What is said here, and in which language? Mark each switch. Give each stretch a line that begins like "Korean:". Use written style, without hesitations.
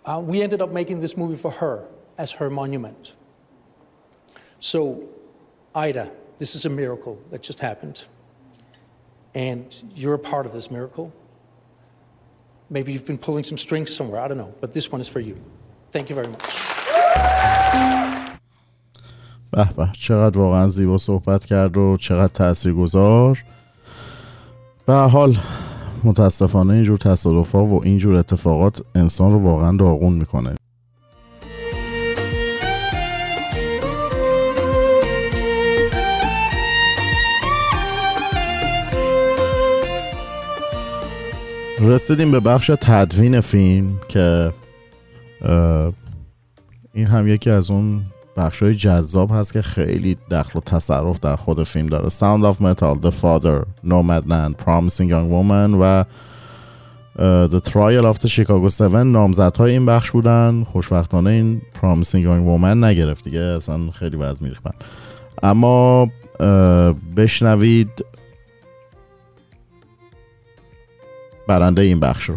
English: We ended up making this movie for her as her monument. So, Ida, this is a miracle that just happened. And you're a part of this miracle. Maybe you've been pulling some strings somewhere, I don't know, but this one is for you. Thank you very much.
Persian: به به چقدر واقعا زیبا صحبت کرد و چقدر تاثیرگذار. به هر حال متاسفانه اینجور تصادفا و اینجور اتفاقات انسان رو واقعا داغون میکنه. رسیدیم به بخش تدوین فیلم که این هم یکی از اون بخش‌های جذاب هست که خیلی دخل و تصرف در خود فیلم داره. Sound of Metal, The Father, Nomadland, Promising Young Woman و The Trial of the Chicago 7 نامزدهای این بخش بودن. خوشبختانه این Promising Young Woman نگرفت دیگه، اصلا خیلی وضع می‌ریختن. اما بشنوید برنده این بخش رو.